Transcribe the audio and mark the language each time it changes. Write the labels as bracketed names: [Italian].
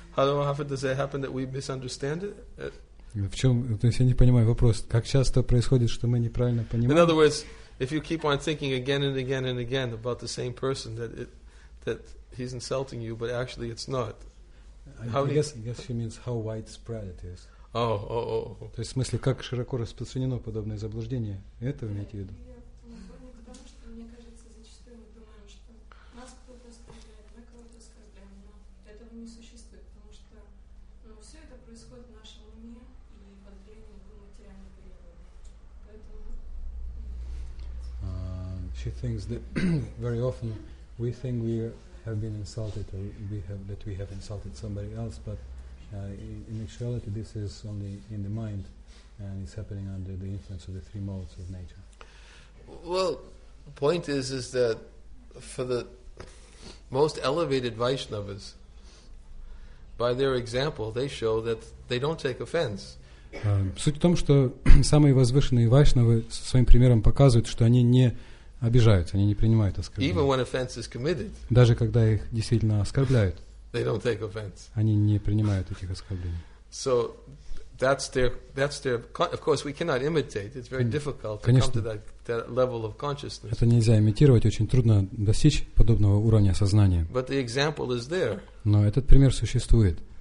[English] How often does it happen that we misunderstand it? [Russian] В чем, то есть я не понимаю вопрос. Как часто происходит, что мы неправильно понимаем? [English] In other words, if you keep on thinking again and again and again about the same person that he's insulting you, but actually it's not. I guess she means how widespread it is. Oh. [Russian] То есть в смысле, как широко распространено подобное заблуждение? Это вы имеете в виду? [English] She thinks that very often we think we have been insulted, or we have insulted somebody else. But in actuality, this is only in the mind, and it's happening under the influence of the three modes of nature. Well, point is that for the most elevated Vaishnavas, by their example, they show that they don't take offense. [Russian] Суть в том, что самые возвышенные Вайшнавы своим примером показывают, что они не обижаются, они не принимают оскорбления. Даже когда их действительно оскорбляют, [English] they don't take offense. [Russian] Они не принимают этих оскорблений. [English] So that's their. Of course, we cannot imitate. It's very difficult to come to that level of consciousness. [Russian] Это нельзя имитировать, очень трудно достичь подобного уровня сознания. [English] But the example is there. [Russian] Но этот пример существует.